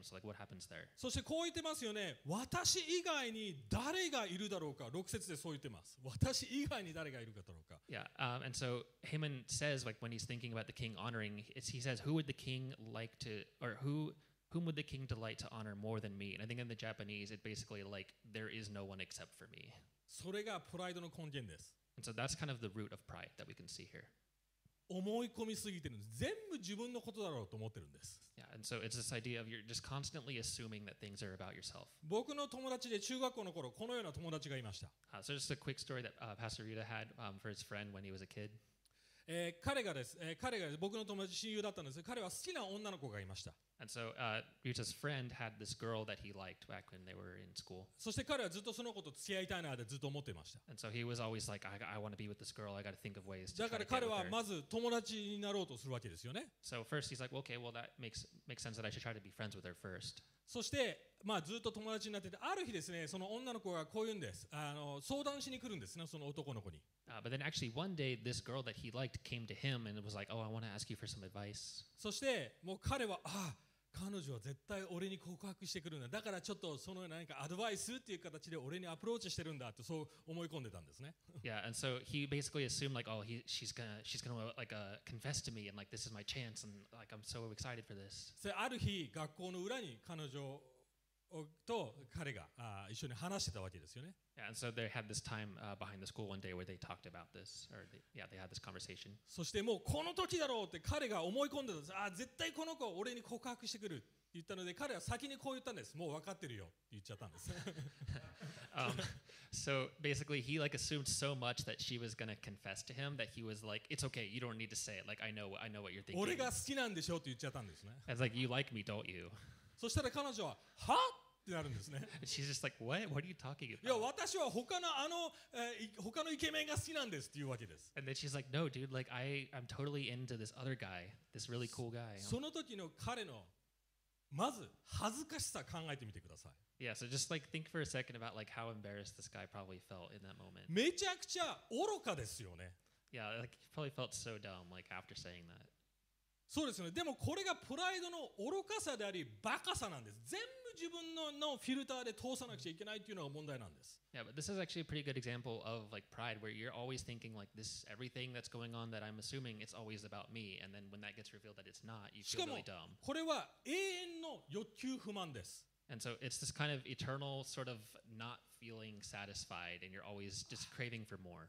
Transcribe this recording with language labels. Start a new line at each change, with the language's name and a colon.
English: So like, what happens there?
Japanese: そしてこう言ってますよね。私以外に誰がいるだろうか。 6節でそう言ってます。私以外に誰がいるかだろうか。
English: Yeah, and so Haman says, like, when he's thinking about the king honoring, he says, who would the king like to, or who... Whom would the king delight to honor more than me? And I think in the Japanese, it basically like, there is no one except for me.
Japanese: それがプライドの根源です。
English: And so that's kind of the root of pride that we can see here.
Japanese: 思い込みすぎてるんです。全部自分のことだろうと思ってるんです。
English: Yeah, and so it's this idea of you're just constantly assuming that things are about yourself.
Japanese: 僕の友達で中学校の頃、このような友達がいました。
English: So just a quick story that Pastor Rita had for his friend when he was a kid.
Japanese: 彼がです、彼が僕の友達、親友だったんです。彼は好きな女の子がいました。
English: And so, Ryuta's friend had this girl that he liked back when they were in school.
Japanese: そして彼はずっとその子と付き合いたいなってずっと思っていました。
English: And so he was always like, I want to be with this girl. I got to think of ways to try to get with her.
Japanese: だから彼はまず友達になろうとするわけですよね。
English: So first he's like, okay, well that makes sense that I should try to be friends with her first.
Japanese: そして、まあ、ずっと友達になってて、ある日ですね、その女の子がこう言うんです。相談しに来るんですね、その男の子に。
English: But then actually one day this girl that he liked came to him and was like, oh, I want to ask you for some advice.
Japanese: そしてもう彼は、ああ、彼女は絶対俺に告白してくるんだ。だからちょっとその何かアドバイスっていう形で俺にアプローチしてるんだってそう思い込んでたんですね。
English: Yeah, and so he basically assumed like, oh, she's gonna confess to me and like, this is my chance and like, I'm so excited for this.
Japanese: So, ある日学校の裏に彼女と彼が一緒に話してたわけですよね。
English: And so they had this time behind the school one day where they talked about this, or they had this conversation.
Japanese: そしてもうこの時だろうって彼が思い込んでたんです。あ、絶対この子俺に告白してくるって言ったので、彼は先にこう言ったんです。もう分かってるよって言っちゃったんです。
English: So basically, he like assumed so much that she was gonna confess to him that he was like, "It's okay, you don't need to say it. Like I know what you're thinking."
Japanese: 俺が好きなんでしょって言っちゃったんですね。
English: It's like you like me, don't you?
Japanese: そしたら彼女は、は？なるんですね。
English: She's just like, what are you talking about?
Japanese: いや、私は他のあの、他のイケメンが好きなんですっていうわけです。
English: And then she's like, no, dude, like I'm totally into this other guy, this really cool guy.
Japanese: その時の彼のまず恥ずかしさ考えてみてください。
English: Yeah, so just like think for a second about like how embarrassed this guy probably felt in that moment.
Japanese: めちゃくちゃ愚かですよね。
English: Yeah, like he probably felt so dumb like after saying that.
Japanese: そうですね。でもこれがプライドの愚かさであり、バカさなんです。全部自分 のフィルターで通さなくちゃいけないっていうのが問題なんです。
English: Yeah, but this is actually a pretty good example of like pride, where you're always thinking like this, everything that's going on that I'm assuming it's always about me, and then when that gets revealed that it's not, you feel really dumb.
Japanese: しかもこれは永遠の欲求不満です。
English: And so it's this kind of eternal sort of not feeling satisfied, and you're always just craving for more.